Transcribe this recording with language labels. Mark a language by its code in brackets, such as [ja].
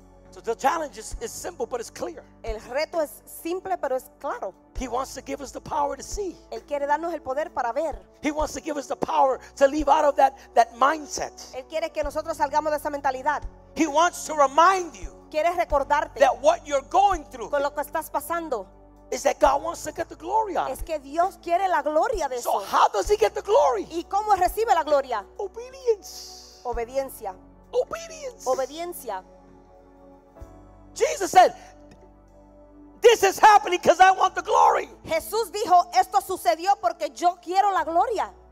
[en] So the challenge is simple but it's clear. [es] El reto es simple pero es claro. [en] He wants to give us the power to see. [es] Él quiere darnos el poder para ver. [en] He wants to give us the power to leave out of that mindset. [es] Él quiere que nosotros salgamos de esa mentalidad. [en] He wants to remind you. [es] Quiere recordarte. [en] That what you're going through. [es] Con lo que estás pasando. [en] Is that God wants to get the glory out. [es] Es que Dios quiere la gloria de [en] eso. So how does he get the glory? [es] ¿Y cómo recibe la gloria? [en] Obedience. [es] Obediencia. [en] Obedience. [es] Obediencia. [en] Jesus said, "This is happening because I want the glory." [es] Jesús dijo, "Esto sucedió porque yo quiero la gloria."